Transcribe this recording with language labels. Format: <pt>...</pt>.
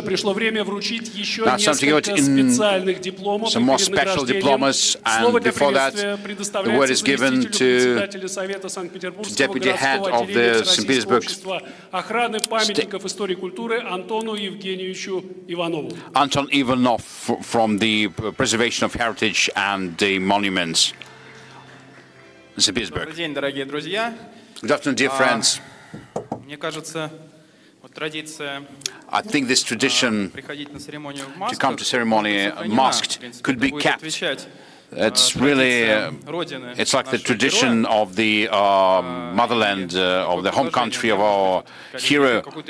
<ru>Пришло время вручить еще несколько специальных дипломов.</ru> <en>Some more special diplomas, and before that, the word is given to deputy head of the St. Petersburg</en> <ru>охраны памятников истории и культуры Антону Евгеньевичу Иванову.</ru> <en>Anton Ivanov from the preservation of heritage and the monuments, St. Petersburg.</en> <ru>Добрый день, дорогие друзья.</ru> <en>Good afternoon, dear friends.</en> <ru>Мне кажется, вот традиция.</ru> <en>I think this tradition to come to ceremony masked could be kept. It's really, it's like the tradition of the motherland, of the home country of our hero.</en>